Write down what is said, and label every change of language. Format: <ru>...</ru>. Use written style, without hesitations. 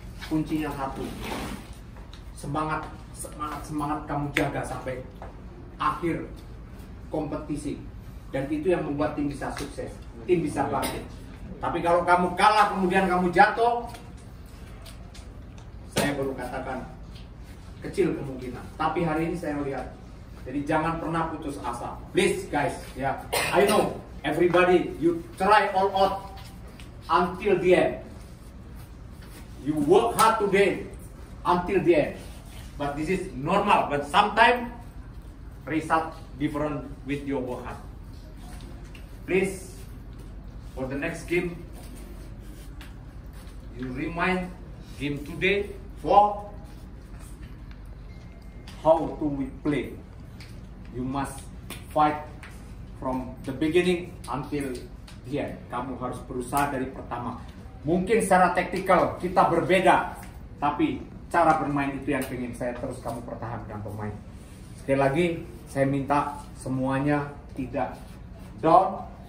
<id>Kuncinya satu, semangat, semangat, semangat kamu jaga sampai akhir kompetisi. Dan itu yang membuat tim bisa sukses, tim bisa bangkit. Tapi kalau kamu kalah kemudian kamu jatuh, saya baru katakan kecil kemungkinan. Tapi hari ini saya melihat, jadi jangan pernah putus asa.</id> <en>Please guys, ya, yeah. I know everybody, you try all out until the end. You work hard today until the end. But this is normal, but sometimes result different with your work hard. Please, for the next game, you remind game today for how to we play. You must fight from the beginning until the end.</en> <id>Kamu harus berusaha dari pertama. Mungkin secara taktikal kita berbeda, tapi cara bermain itu yang ingin saya terus kamu pertahankan pemain. Sekali lagi, saya minta semuanya tidak down.</id>